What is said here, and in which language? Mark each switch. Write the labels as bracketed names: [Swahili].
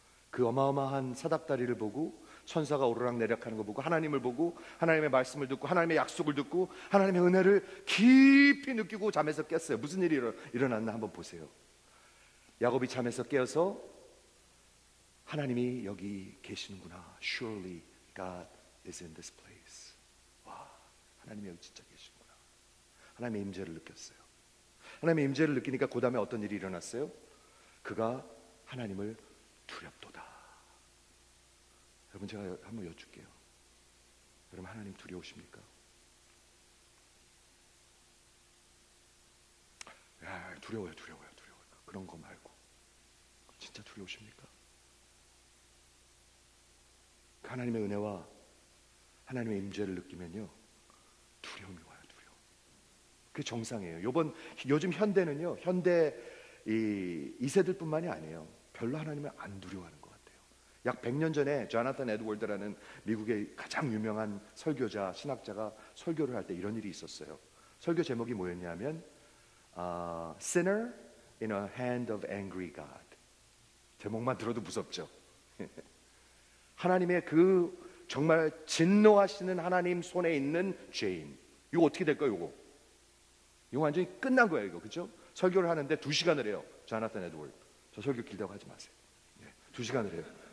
[Korean] 그 어마어마한 사닥다리를 보고 천사가 오르락 내리락하는 거 보고 하나님을 보고 하나님의 말씀을 듣고 하나님의 약속을 듣고 하나님의 은혜를 깊이 느끼고 잠에서 깼어요. 무슨 일이 일어났나 한번 보세요. 야곱이 잠에서 깨어서 하나님이 여기 계시는구나. [English] Surely God is in this place. [Korean] 와, 하나님이 여기 진짜 계시는구나. 하나님의 임재를 느꼈어요. 하나님의 임재를 느끼니까 그 다음에 어떤 일이 일어났어요? 그가 하나님을 두렵도다. 여러분 제가 한번 여쭐게요. 여러분 하나님 두려우십니까? 야, 두려워요. 그런 거 말고 진짜 두려우십니까? 그 하나님의 은혜와 하나님의 임재를 느끼면요 두려움이 와요. 두려움. 그게 정상이에요. 요즘 현대는요 현대 이세들뿐만이 아니에요. 별로 하나님을 안 두려워하는. 약 100년 전에 조나탄 에드워드라는 미국의 가장 유명한 설교자, 신학자가 설교를 할 때 이런 일이 있었어요. 설교 제목이 뭐였냐면 [English] Sinner in a Hand of Angry God. [Korean] 제목만 들어도 무섭죠. 하나님의 그 정말 진노하시는 하나님 손에 있는 죄인. 이거 어떻게 될까요? 이거 완전히 끝난 거예요. 이거 그렇죠? 설교를 하는데 2시간을 해요. 조나탄 에드워드. 저 설교 길다고 하지 마세요. 2시간을 해요.